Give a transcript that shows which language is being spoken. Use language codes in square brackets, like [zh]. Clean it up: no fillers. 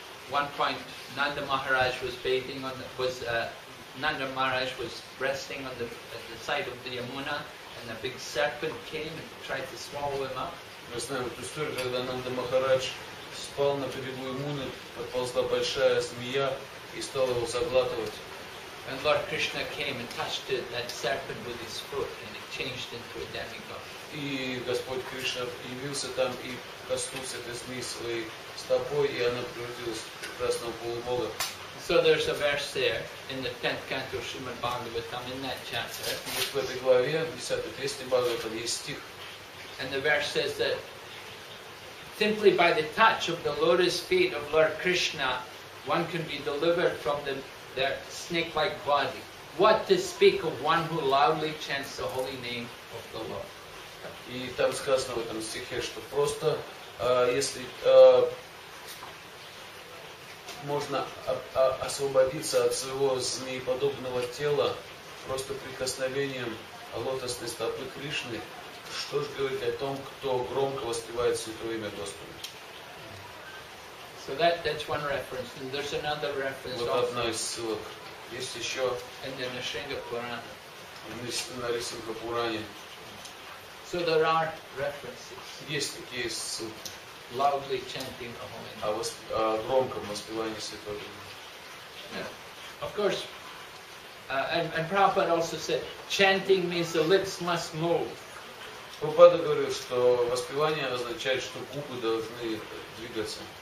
[en] One point, Nanda Maharaj was resting on the side of the Yamuna, and a big serpent came and tried to swallow him up. [ru] Мы знаем эту историю, когда Нанда Махарадж спал на берегу Ямуны, подползла большая змея и стала его заглатывать. [en] And Lord Krishna came and touched that serpent with his foot, and it changed into a demigod. [ru] И Господь Кришна явился там и коснулся этой змеи своей стопой, и она превратилась в прекрасного полубога. [en] So there's a verse there in the 10th canto of Srimad Bhagavatam in that chapter. [ru] В этой главе, в 10-й песне Бхагаватам, есть стих. [en] And the verse says that simply by the touch of the lotus feet of Lord Krishna, one can be delivered from their snake-like body. What to speak of one who loudly chants the holy name of the Lord? [ru] И там сказано в этом стихе, что просто если можно освободиться от своего змееподобного тела просто прикосновением лотосной стопы Кришны, что же говорить о том, кто громко воспевает Святое Имя Господа? [en] So that's one reference. And there's another reference also. [ru] Вот одна из ссылок. Есть еще. [en] In the Narsinga Purana. [ru] В Нарисинга Пуране. [en] So there are references. [ru] Есть такие ссылки. [en] Loudly chanting the holy name. [ru] О громком воспевании Святого Имени. [en] Of course, and Prabhupada also said, chanting means the lips must move. [ru] Прабхупада говорил, что воспевание означает, что губы должны двигаться.